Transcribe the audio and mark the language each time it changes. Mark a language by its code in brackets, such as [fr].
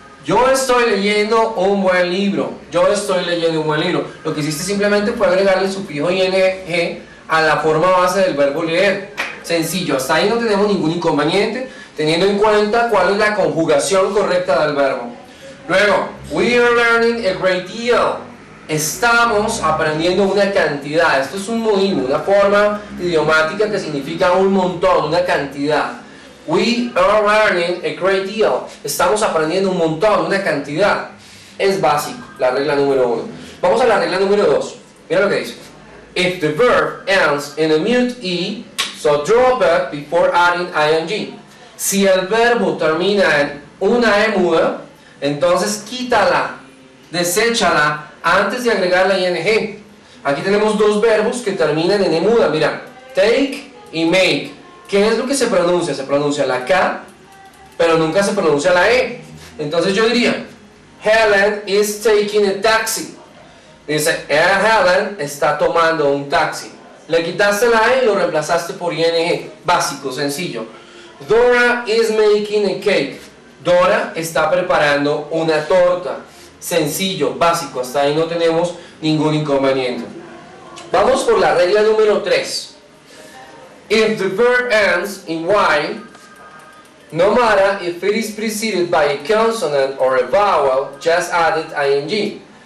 [es] Yo estoy leyendo un buen libro. Yo estoy leyendo un buen libro. Lo que hiciste simplemente fue agregarle el sufijo ing a la forma base del verbo leer. Sencillo, hasta ahí no tenemos ningún inconveniente, teniendo en cuenta cuál es la conjugación correcta del verbo. Luego, [en] we are learning a great deal. [es] Estamos aprendiendo una cantidad. Esto es un modismo, una forma idiomática que significa un montón, una cantidad. [en] We are learning a great deal. [es] Estamos aprendiendo un montón, una cantidad. Es básico, la regla número uno. Vamos a la regla número dos. Mira lo que dice. [en] If the verb ends in a mute E, so drop it before adding ing. [es] Si el verbo termina en una E muda, entonces quítala, deséchala antes de agregar la ing. Aquí tenemos dos verbos que terminan en E muda. Mira, take y make. ¿Qué es lo que se pronuncia? Se pronuncia la K, pero nunca se pronuncia la E. Entonces yo diría, [en] Helen is taking a taxi. [es] Dice, Helen está tomando un taxi. Le quitaste la E y lo reemplazaste por ING. Básico, sencillo. [en] Dora is making a cake. [es] Dora está preparando una torta. Sencillo, básico. Hasta ahí no tenemos ningún inconveniente. Vamos por la regla número 3. [en] If the verb ends in Y, no matter if it is preceded by a consonant or a vowel, just add it ing.